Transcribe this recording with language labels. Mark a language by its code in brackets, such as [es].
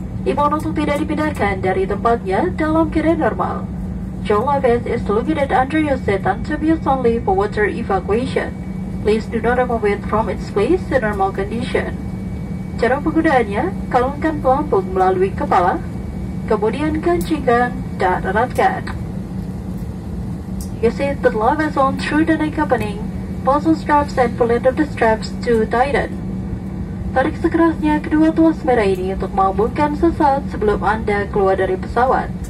[id] Imbauan untuk tidak dipindahkan dari tempatnya dalam keadaan normal. [en] Your life vest is located under your seat and to be used only for water evacuation. Please do not remove it from its place in normal condition. [id] Cara penggunaannya, kalungkan pelampung melalui kepala, kemudian kancingkan dan eratkan. [en] Use the life vest on through the neck opening, fasten straps and pull end of the straps to tighten. [id] Tarik sekerasnya kedua tuas merah ini untuk mengambungkan sesaat sebelum Anda keluar dari pesawat.